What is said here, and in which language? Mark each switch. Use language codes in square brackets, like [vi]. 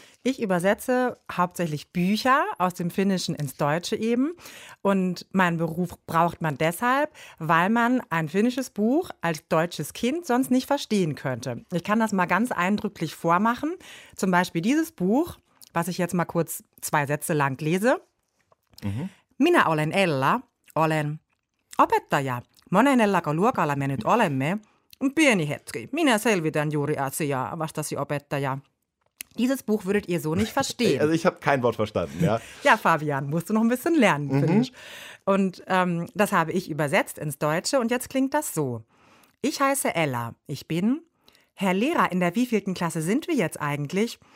[de] Ich übersetze hauptsächlich Bücher aus dem Finnischen ins Deutsche eben. Und meinen Beruf braucht man deshalb, weil man ein finnisches Buch als deutsches Kind sonst nicht verstehen könnte. Ich kann das mal ganz eindrücklich vormachen. Zum Beispiel dieses Buch, was ich jetzt mal kurz zwei Sätze lang lese. [fi] Minä olen Ella, olen opettaja. Monen Ellako luokalla me nyt olemme. Pieni hetki, minä selvitän juuri asiaa, vastasi opettaja. [de] Dieses Buch würdet ihr so nicht verstehen. Also ich habe kein Wort verstanden, ja. Ja, Fabian, musst du noch ein bisschen lernen, finde ich. Und das habe ich übersetzt ins Deutsche und jetzt klingt das so. Ich heiße Ella, ich bin... Herr Lehrer, in der wievielten Klasse sind wir jetzt eigentlich?